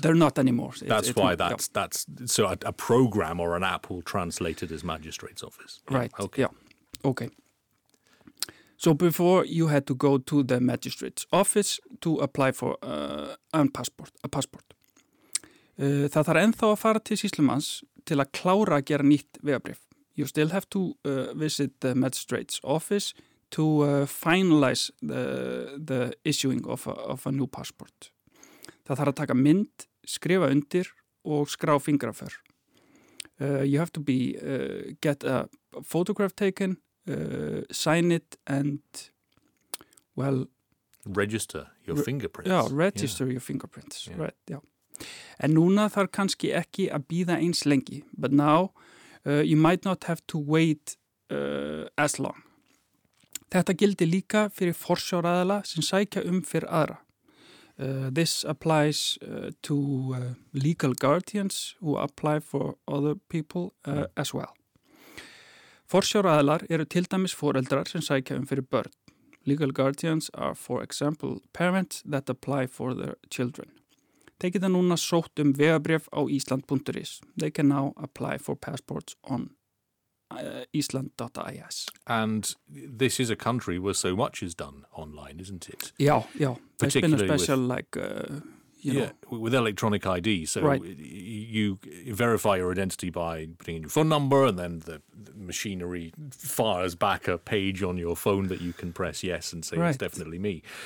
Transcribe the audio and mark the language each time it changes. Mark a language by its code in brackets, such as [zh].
[en] They're not anymore. So a program or an app will translate it as magistrate's office. Yeah. Right. Okay. Yeah. Okay. So before you had to go to the magistrate's office to apply for a passport. [is] Það þarf ennþá að fara til sýslumanns til að klára að gera nýtt vegabréf. [en] You still have to visit the magistrate's office to finalize the issuing of a new passport. [is] Það þarf að taka mynd, skrifa undir og skrá fingraför. [en] You have to be get a photograph taken, sign it, and well, register your fingerprints. Já, register your fingerprints. Yeah. Right, já. [is] En núna þarf kannski ekki að bíða eins lengi, [en] but now you might not have to wait as long. [is] Þetta gildi líka fyrir forsjáraðala sem sækja fyrir aðra. [en] This applies to legal guardians who apply for other people as well. [is] Forsjáraðalar eru til dæmis foreldrar sem sækja fyrir börn. [en] Legal guardians are, for example, parents that apply for their children. [is] Þeir geta núna sótt vegabréf á island.is. [en] They can now apply for passports on Iceland.is. And this is a country where so much is done online, isn't it? Yeah, yeah. Particularly it's been a special, with electronic ID. So right. You verify your identity by putting in your phone number and then the machinery fires back a page on your phone that you can press yes and say right. It's definitely me.